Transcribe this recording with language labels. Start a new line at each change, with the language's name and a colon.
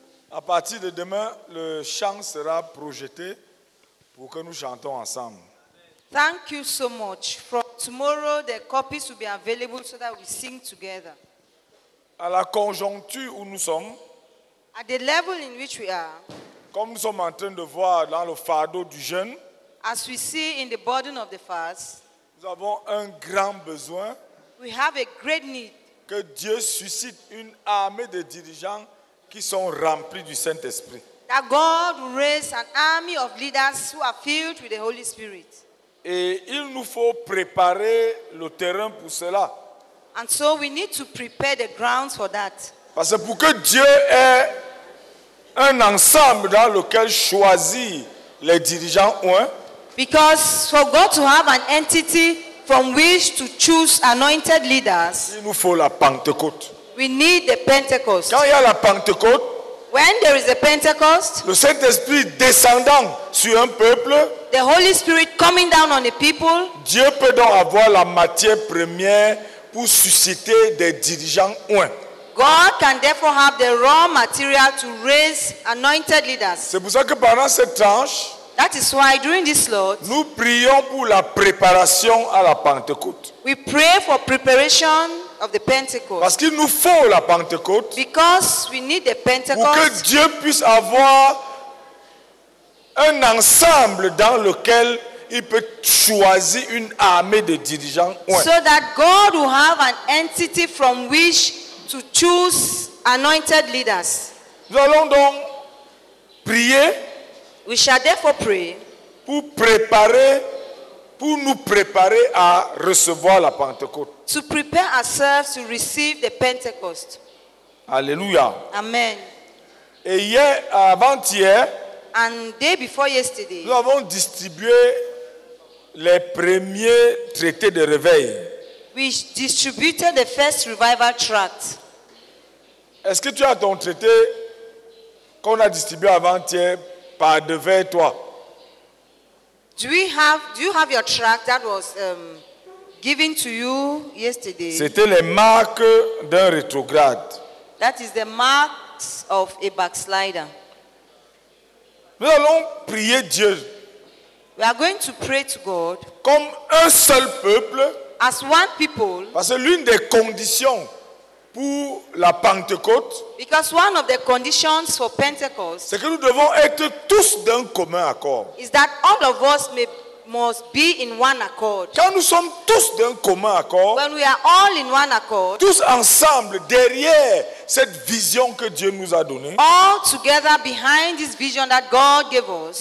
French: À partir de demain, le chant sera projeté pour que nous chantons ensemble.
English: Thank you so much. From tomorrow, the copies will be available so that we sing together.
French: À la conjoncture où nous sommes,
English: at the level in which we are,
French: comme nous sommes en train de voir dans le fardeau du jeûne,
English: as we see in the burden of the fast,
French: nous avons un grand besoin.
English: We have a great need.
French: Que Dieu suscite une armée de dirigeants qui sont remplis du Saint-Esprit.
English: That God will raise an army of leaders who are filled with the Holy Spirit.
French: Et il nous faut préparer le terrain pour cela.
English: And so we need to prepare the grounds for that.
French: Parce que pour que Dieu ait un ensemble dans lequel choisir les dirigeants ou un.
English: Because for God to have an entity from which to choose anointed leaders.
French: Il nous faut la Pentecôte.
English: We need the Pentecost.
French: Quand il y a la Pentecôte,
English: when there is a Pentecost,
French: le Saint-Esprit descendant sur un peuple,
English: the Holy Spirit coming down on the people,
French: Dieu peut donc avoir la matière première pour susciter des dirigeants oints.
English: God can therefore have the raw material to raise anointed leaders.
French: C'est pour ça que pendant cette tranche,
English: that is why during this slot,
French: nous prions pour la préparation à la Pentecôte.
English: We pray for preparation of the Pentecost.
French: Parce qu'il nous faut la Pentecôte.
English: Because we need the Pentecost.
French: Pour que Dieu puisse avoir un ensemble dans lequel il peut choisir une armée de dirigeants. Ouais.
English: So that God will have an entity from which to choose anointed leaders.
French: Nous allons donc prier.
English: We shall therefore pray.
French: Pour préparer, pour nous préparer à recevoir la Pentecôte.
English: To prepare ourselves to receive the Pentecost. Alléluia. Amen.
French: Et hier, avant-hier,
English: and day before yesterday,
French: nous avons distribué les premiers traités de réveil.
English: We distributed the first revival tract.
French: Est-ce que tu as ton traité qu'on a distribué avant-hier par devant toi?
English: Do you have your tract that was given to you yesterday?
French: C'était les marques d'un rétrograde.
English: That is the marks of a backslider.
French: Nous allons prier Dieu.
English: We are going to pray to God.
French: Comme un seul peuple.
English: As one people.
French: Parce que l'une des conditions pour la Pentecôte.
English: Because one of the conditions for Pentecost.
French: C'est que nous devons être tous d'un commun accord.
English: Is that all of us must be in one accord.
French: Quand nous sommes tous d'un commun accord.
English: When we are all in one accord.
French: Tous ensemble derrière cette vision que Dieu nous a donnée.
English: All together behind this vision that God gave us.